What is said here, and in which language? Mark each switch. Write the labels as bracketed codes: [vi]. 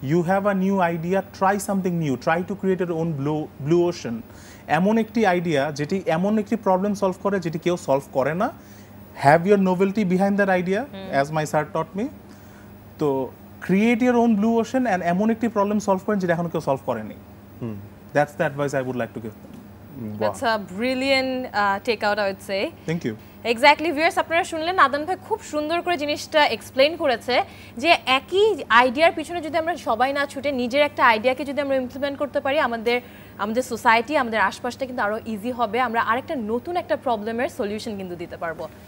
[en] you have a new idea, try something new, try to create your own blue ocean, [bn] এমন একটি idea যেটি এমন একটি problem solve করে যেটি কেউ সলভ করে না। [en] have your novelty behind that idea, as my sir taught me, to create your own blue ocean and [bn] এমন একটি প্রবলেম সলভ করেন যেটা এখনো কেউ সলভ করেনি। [en] That's the advice I would like to give. That's a brilliant take-out, I would say. Thank you. [bn] Exactly viewers, আপনারা শুনলেন আদান ভাই খুব সুন্দর করে জিনিসটা এক্সপ্লেইন করেছে যে একই আইডিয়ার পিছনে যদি আমরা সবাই না ছুটে নিজের একটা আইডিয়াকে যদি আমরা ইমপ্লিমেন্ট করতে পারি আমাদের আমাদের সোসাইটি আমাদের আশপাশটা কিন্তু আরও ইজি হবে, আমরা আরেকটা নতুন একটা প্রবলেমের সলিউশন কিন্তু দিতে পারবো।